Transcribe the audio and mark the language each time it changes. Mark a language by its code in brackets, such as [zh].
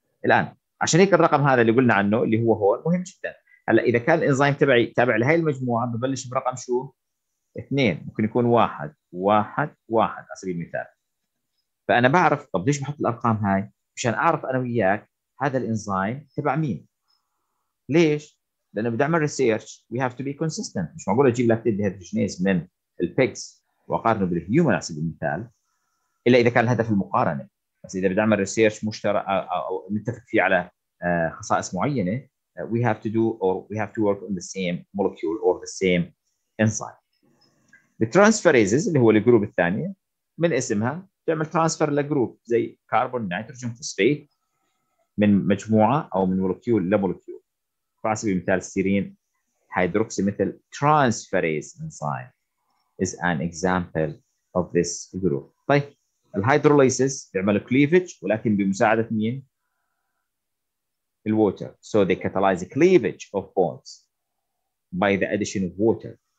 [ar] الان عشان هيك الرقم هذا اللي قلنا عنه اللي هو هون مهم جدا. هلا اذا كان الانزيم تبعي تابع لهي المجموعه ببلش برقم شو؟ 2، ممكن يكون 1 1 1 على سبيل المثال. فانا بعرف، طب ليش بحط الارقام هاي؟ مشان أعرف أنا وياك هذا الإنزيم تبع مين. ليش؟ لأنه بدي أعمل research [en] we have to be consistent. [ar] مش معقول أجيب لاكتيت ديهيدروجينيز من البيكس وأقارنه بالهيومن على سبيل المثال إلا إذا كان الهدف المقارنة. بس إذا بدي أعمل research مشترك أو نتفق فيه على خصائص معينة [en] we have to do or we have to work on the same molecule or the same enzyme. [ar] The transferases اللي هو الجروب الثانية من اسمها تعمل ترانسفر لجروب زي كربون نيتروجين فوسفيت من مجموعة أو من مولكيول لمولكيول. فعلى سبيل المثال سيرين هيدروكسي مثل ترانسفريز إنزيم [en] is an example of this group. [ar] طيب الهيدروليسيس بيعمل كليفج ولكن بمساعدة مين؟ الووتر. [en] So they catalyze the cleavage of bonds by the addition of water.